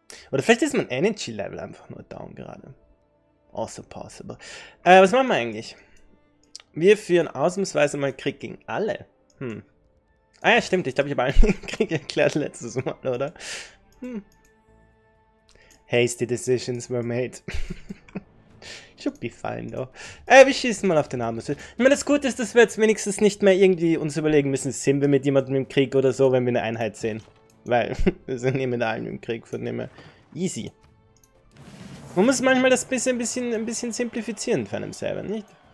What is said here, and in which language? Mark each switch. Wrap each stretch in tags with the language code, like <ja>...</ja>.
<de>Oder vielleicht ist mein Energy Level einfach nur down gerade.</de> <en>Also possible.</en> <de>Was machen wir eigentlich? Wir führen ausnahmsweise mal Krieg gegen alle. Ah ja, stimmt. Ich glaube, ich habe einen Krieg erklärt letztes Mal, oder?</de> <en>Hasty decisions were made. Should be fine, though.</en> <de>Wir schießen mal auf den Arm. Ich meine, das Gute ist, dass wir jetzt wenigstens nicht mehr irgendwie uns überlegen müssen, sind wir mit jemandem im Krieg oder so, wenn wir eine Einheit sehen. Weil wir sind nicht mit allen im Krieg, von dem her. Easy. Man muss manchmal das ein bisschen simplifizieren für einen selber, nicht?</de>